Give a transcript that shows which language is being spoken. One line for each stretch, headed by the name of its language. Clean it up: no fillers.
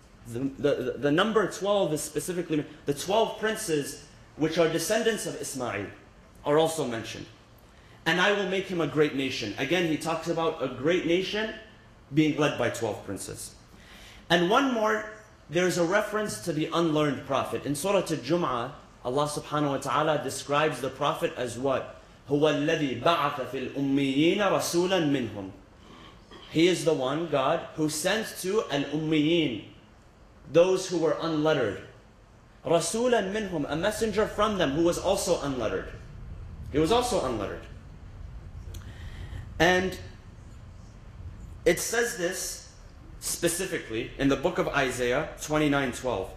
English: The number 12 is specifically, the 12 princes, which are descendants of Ismail, are also mentioned. And I will make him a great nation. Again, he talks about a great nation being led by 12 princes. And one more, there's a reference to the unlearned prophet. In Surah Al-Jum'ah, Allah subhanahu wa ta'ala describes the prophet as what?
Arabic: هو الذي بعث في الأميين رسولا منهم.
English: He is the one, God, who sent to al-Ummiyin, those who were unlettered.
Arabic: رسولا منهم,
English: a messenger from them who was also unlettered. He was also unlettered. And it says this specifically in the book of Isaiah 29:12.